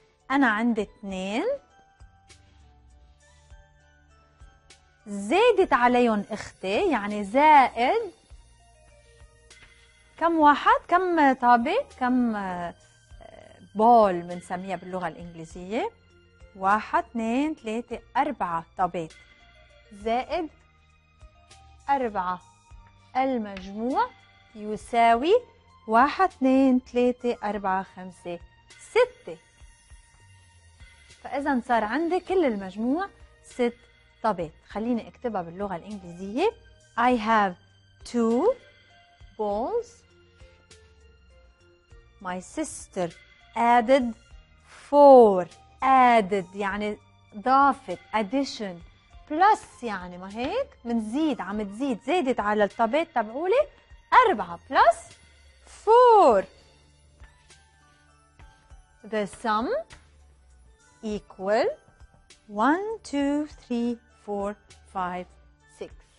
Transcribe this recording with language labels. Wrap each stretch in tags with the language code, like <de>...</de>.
<ar>انا عندي اثنين، زادت عليهم اختي يعني زائد كم واحد، كم طابة، كم بول بنسميها باللغة الإنجليزية، واحد اثنين ثلاثة أربعة طابات زائد أربعة، المجموع يساوي واحد اثنين ثلاثة أربعة خمسة ستة. فإذا صار عندي كل المجموع ست طابات. خليني اكتبها باللغة الإنجليزية.</ar> <en>I have two balls. My sister added for added</en> <ar>يعني ضافت</ar> <en>addition plus</en> <ar>يعني ما هيك منزيد عم تزيد زادت على الطابات تبعولي أربعة</ar> <en>plus four the sum equal 1 2 3 4 5 6.</en>